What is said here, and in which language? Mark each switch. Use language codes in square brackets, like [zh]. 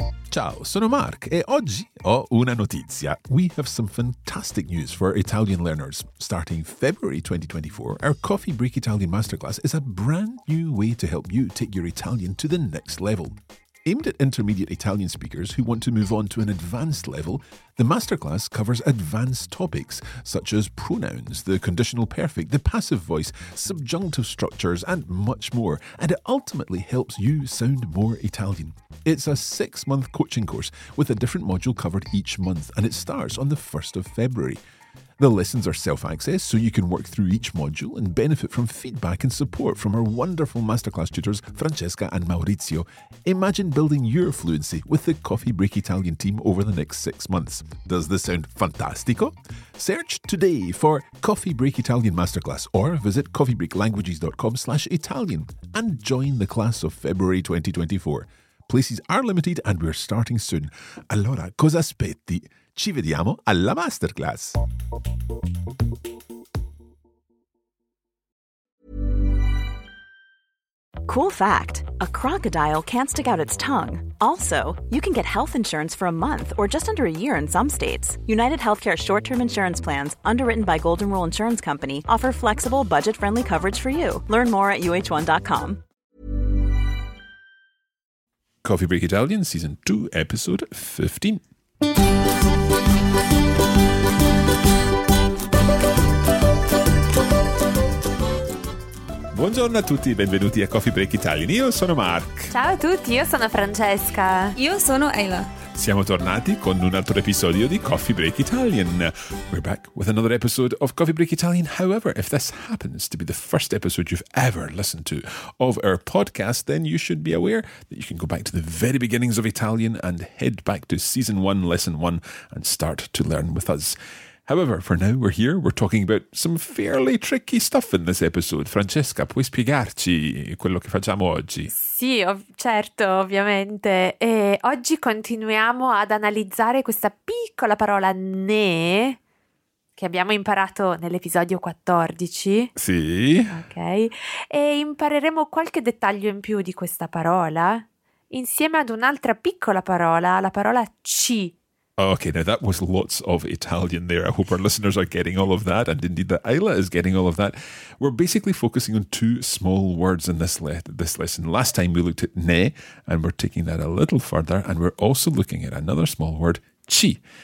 [it] Ciao, sono Mark e oggi ho una notizia. [en] We have some fantastic news for Italian learners. Starting February 2024, our Coffee Break Italian Masterclass is a brand new way to help you take your Italian to the next level. Aimed at intermediate Italian speakers who want to move on to an advanced level, the masterclass covers advanced topics such as pronouns, the conditional perfect, the passive voice, subjunctive structures, and much more, and it ultimately helps you sound more Italian. It's a six-month coaching course with a different module covered each month, and it starts on the 1st of February. The lessons are self-access, so you can work through each module and benefit from feedback and support from our wonderful masterclass tutors, Francesca and Maurizio. Imagine building your fluency with the Coffee Break Italian team over the next 6 months. Does this sound fantastico? Search today for Coffee Break Italian Masterclass or visit coffeebreaklanguages.com/Italian and join the class of February 2024. Places are limited and we're starting soon. [it] Allora, cosa aspetti? Ci vediamo alla masterclass. [en] Cool fact, a crocodile can't stick out its tongue. Also, you can get health insurance for a month or just under a year in some states. United Healthcare short-term insurance plans, underwritten by Golden Rule Insurance Company, offer flexible, budget-friendly coverage for you. Learn more at uh1.com. Coffee Break Italian, Season 2, Episode 15. [it] Buongiorno a tutti, benvenuti a Coffee Break Italian. Io sono Mark. Ciao a tutti, io sono Francesca. Io sono Ayla. Siamo tornati con un altro episodio di Coffee Break Italian. [en] We're back with another episode of Coffee Break Italian. However, if this happens to be the first episode you've ever listened to of our podcast, then you should be aware that you can go back to the very beginnings of Italian and head back to Season 1, Lesson 1, and start to learn with us. However, for now, we're here. We're talking about some fairly tricky stuff in this episode. [it] Francesca, puoi spiegarci quello che facciamo oggi? Sì, certo, ovviamente. E oggi continuiamo ad analizzare questa piccola parola ne, che abbiamo imparato nell'episodio 14. Sì. Ok. E impareremo qualche dettaglio in più di questa parola, insieme ad un'altra piccola parola, la parola ci. [en] Okay, now that was lots of Italian there. I hope our listeners are getting all of that, and indeed that Ayla is getting all of that. We're basically focusing on two small words in this lesson. Last time we looked at ne, and we're taking that a little further, and we're also looking at another small word, ci.